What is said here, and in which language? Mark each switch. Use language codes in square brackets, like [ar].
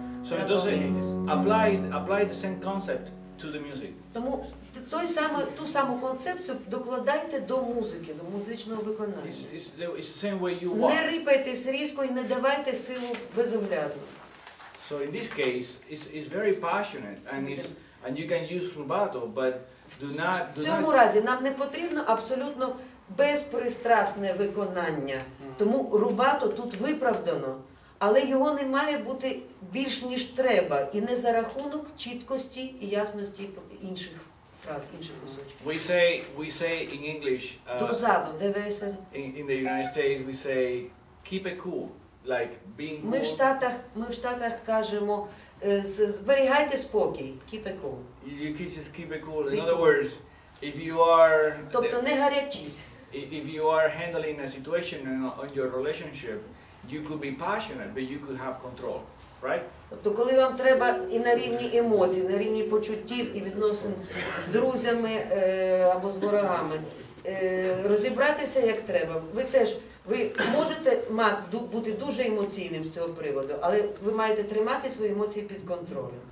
[en] So it doesn't apply the same concept to the music. [uk] Тому ту саму концепцію докладайте до музики, до музичного виконання. [en] It's the same way you walk. [uk] Не рипайтесь різко і не давайте силу безоглядно. [en] So in this case, it's very passionate and you can use rubato, but do not. [uk] В цьому разі нам не потрібно абсолютно безпристрасне виконання. Тому рубато тут виправдано. Але його не має бути більш ніж треба, і не за рахунок чіткості і ясності інших фраз, інших кусочків. [en] We say in English. [uk] Дозаду, дивися. [en] In the United States we say keep it cool, like being cool. [uk] Ми в Штатах кажемо зберігайте спокій, [en] keep it cool. You can just keep it cool. In other words, if you are [uk] тобто не гарячись. [en] If you are handling a situation on your relationship, you could be passionate, but you could have control, right? [uk] Тобто коли вам треба і на рівні емоцій, на рівні почуттів і відносин з друзями або з ворогами розібратися як треба, ви можете бути дуже емоційним з цього приводу, але ви маєте тримати свої емоції під контролем.